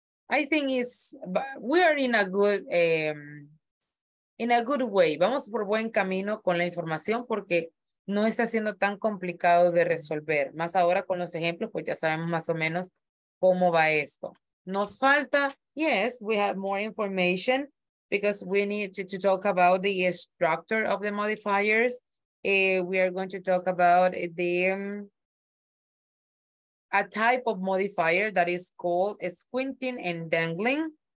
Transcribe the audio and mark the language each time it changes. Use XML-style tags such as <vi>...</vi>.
<en>I think it's, we are in a good... in a good way,</en> <es>vamos por buen camino con la información porque no está siendo tan complicado de resolver. Más ahora con los ejemplos, pues ya sabemos más o menos cómo va esto. Nos falta,</es> <en>yes, we have more information because we need to talk about the structure of the modifiers. We are going to talk about the a type of modifier that is called squinting and dangling.</en>